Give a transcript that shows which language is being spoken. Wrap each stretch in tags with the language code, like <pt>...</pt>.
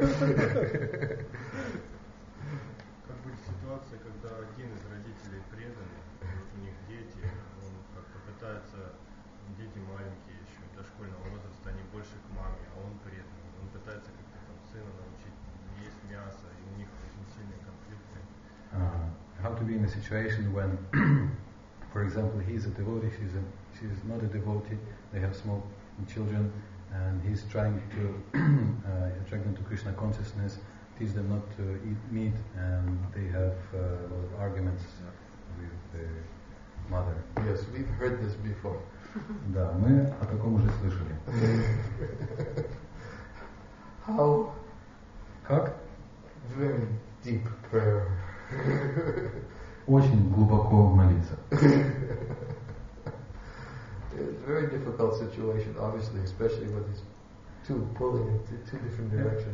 <ru>Как будет ситуация, когда один из родителей преданный, вот у них дети, он как-то пытается, дети маленькие еще, дошкольного возраста, они больше к маме, а он преданный, он пытается как-то там сына научить есть мясо, и у них очень сильные конфликты.</ru> <en>How to be in a situation when, for example, he is a devotee, she is not a devotee, they have small children, and he's trying to attract them to Krishna consciousness, teach them not to eat meat, and they have arguments with the mother. Yes, we've heard this before.</en> <ru>Да, мы о таком уже слышали.</ru> <en>How?</en> <ru>Как?</ru> <en>Very deep prayer.</en> <ru>Очень глубоко молиться.</ru> <en>It's a very difficult situation, obviously, especially with these two pulling in two different directions.</en>